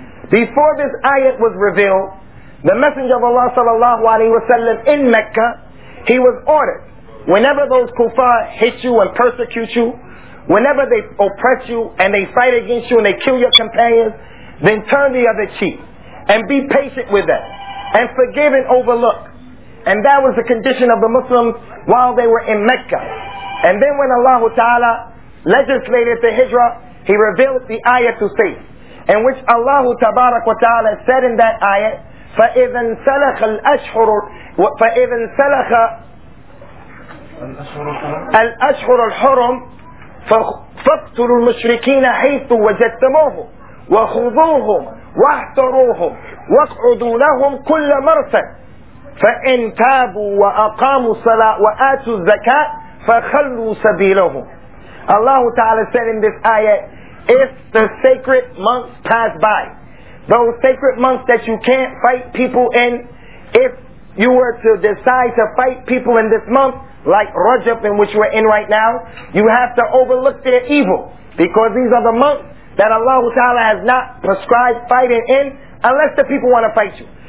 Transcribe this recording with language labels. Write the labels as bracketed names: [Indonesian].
[English] Before this ayat was revealed, the Messenger of Allah sallallahu alaihi wasallam in Mecca, he was ordered, whenever those kuffar hit you and persecute you, whenever they oppress you and they fight against you and they kill your companions, then turn the other cheek and be patient with them and forgive and overlook. And that was the condition of the Muslims while they were in Mecca. And then when Allah Ta'ala legislated the hijrah, he revealed the ayat to say, in which Allah Tabarak wa Ta'ala said in that ayat, [Arabic] فَإِذَنْ سَلَخَ الْأَشْحُرُ فَإِذَنْ سَلَخَ الْأَشْحُرُ الْحُرُمْ فَقْتُلُوا الْمُشْرِكِينَ حَيْثُ وَجَدْتَمُوهُمْ وَخُضُوهُمْ وَاحْتَرُوهُمْ وَاقْعُدُوا لَهُمْ كُلَّ مَرْسَدْ فَإِنْ تَابُوا وَأَقَامُوا الصَّلَاةَ وَآتُوا الزَّكَاةَ فَخَلُّوا سَبِيلَهُمْ. [English] Allah Ta'ala said in this ayat, if the sacred months pass by, those sacred months that you can't fight people in, if you were to decide to fight people in this month, like Rajab in which we're in right now, you have to overlook their evil, because these are the months that Allah Ta'ala has not prescribed fighting in, unless the people want to fight you.